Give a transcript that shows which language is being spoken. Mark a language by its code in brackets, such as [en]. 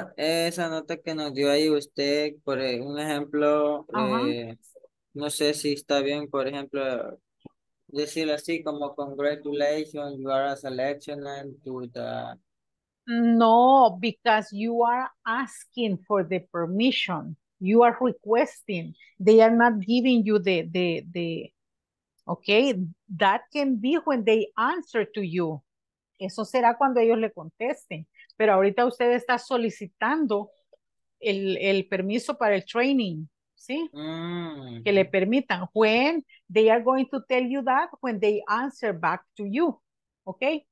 [es] Esa nota que nos dio ahí usted, por un ejemplo, no sé si está bien, por ejemplo, decirlo así como [en] congratulations, you are a selectioner to the... No, because you are asking for the permission. You are requesting. They are not giving you the okay? That can be when they answer to you. [es] Eso será cuando ellos le contesten. Pero ahorita usted está solicitando el permiso para el training, ¿sí? Que le permitan. [en] When they are going to tell you that, when they answer back to you, ¿ok?